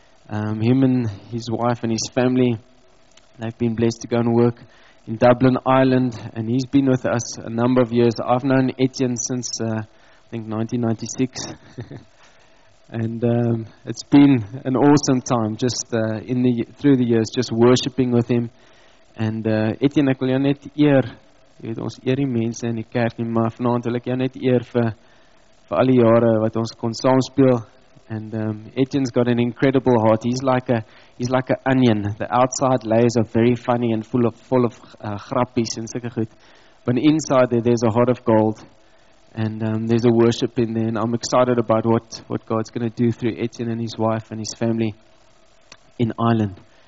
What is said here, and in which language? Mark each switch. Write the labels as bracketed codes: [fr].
[en] Him and his wife and his family, they've been blessed to go and work in Dublin, Ireland, and he's been with us a number of years. I've known Etienne since, I think, 1996. And it's been an awesome time, just through the years, just worshipping with him. [af] And Etienne, ek wil jou net eer, jy weet, ons eer die mense in die kerk nie, maar vanavond wil ek jou net eer vir al die jare wat ons kon saam speel. [en] And Etienne's got an incredible heart. He's like an onion. The outside layers are very funny and full of grappies and [af] sulke goed. [en] But inside there's a heart of gold. And there's a worship in there. And I'm excited about what God's going to do through Etienne and his wife and his family in Ireland.